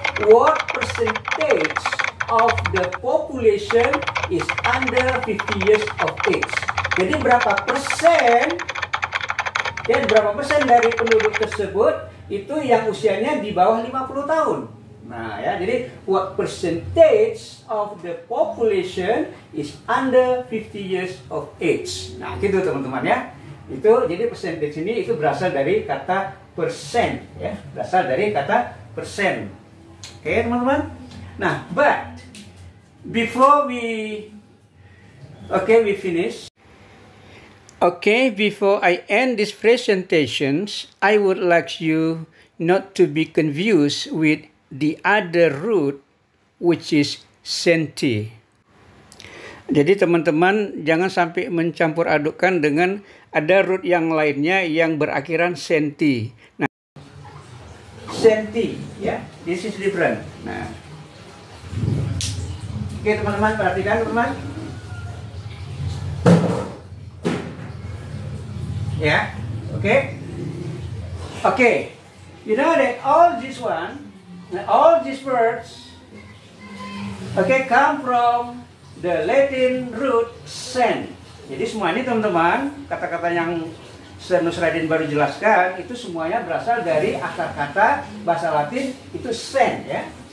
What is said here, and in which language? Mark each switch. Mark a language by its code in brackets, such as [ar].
[en] What percentage of the population is under 50 years of age? [id] Jadi berapa persen, ya, berapa persen dari penduduk tersebut itu yang usianya di bawah 50 tahun? Nah, ya, jadi [en] what percentage of the population is under 50 years of age. [id] Nah, gitu, teman-teman, ya. Itu jadi percentage ini itu berasal dari kata persen, ya. Berasal dari kata persen. Oke, teman-teman. Nah, [en] but before we finish. Okay, before I end this presentation, I would like you not to be confused with the other root, which is centi. [id] Jadi teman-teman, jangan sampai mencampur adukkan dengan ada root yang lainnya yang berakhiran centi. Nah, centi, ya, [en] this is different. [id] Nah, oke, teman-teman, perhatikan, teman-teman, ya, oke, okay. [en] Oke, okay. You know that all this one, all these words, okay, come from the Latin root sen. [id] Jadi semua ini, teman-teman, kata-kata yang Sir Nusraddin baru jelaskan itu semuanya berasal dari akar kata bahasa Latin itu sen, ya.